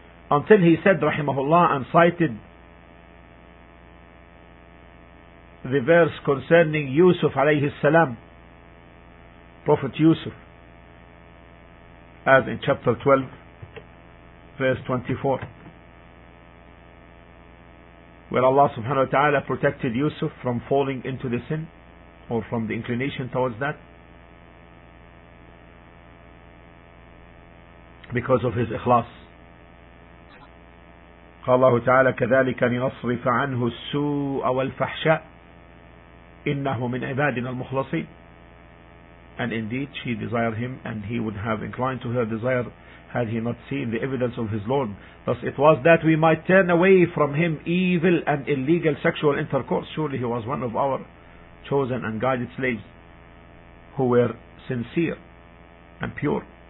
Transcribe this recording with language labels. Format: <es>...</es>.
<en>Until he said rahimahullah and cited the verse concerning Yusuf alayhi salam, Prophet Yusuf, as in chapter 12, verse 24, where Allah subhanahu wa ta'ala protected Yusuf from falling into the sin, or from the inclination towards that, because of his ikhlas.</en> <ar>قال الله تعالى كذلك لنصرف عنه السوء والفحشاء إنه من عبادنا المخلصين.</ar> <en>And indeed she desired him, and he would have inclined to her desire had he not seen the evidence of his Lord. Thus it was that we might turn away from him evil and illegal sexual intercourse. Surely he was one of our chosen and guided slaves who were sincere and pure.</en>